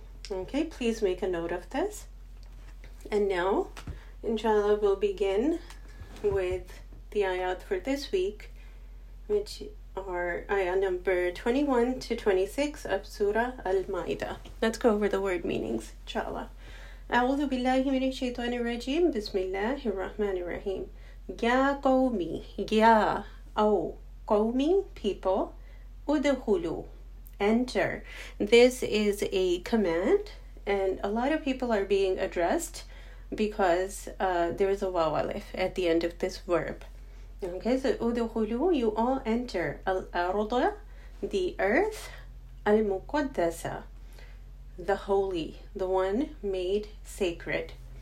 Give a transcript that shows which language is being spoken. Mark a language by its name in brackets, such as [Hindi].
[English] Okay, please make a note of this. And now, inshallah, we'll begin with the ayat for this week, which are ayah number 21 to 26 of Surah Al-Ma'idah. Let's go over the word meanings, inshallah. [Arabic] أعوذ بالله من الشيطان الرجيم بسم الله الرحمن الرحيم يا قومي يا أو قومي people أدخلوا enter. [English] This is a command and a lot of people are being addressed because there is a waw alif at the end of this verb. Okay, so أدخلوا, you all enter الأرض, the earth, المقدسة, the holy, the one made sacred.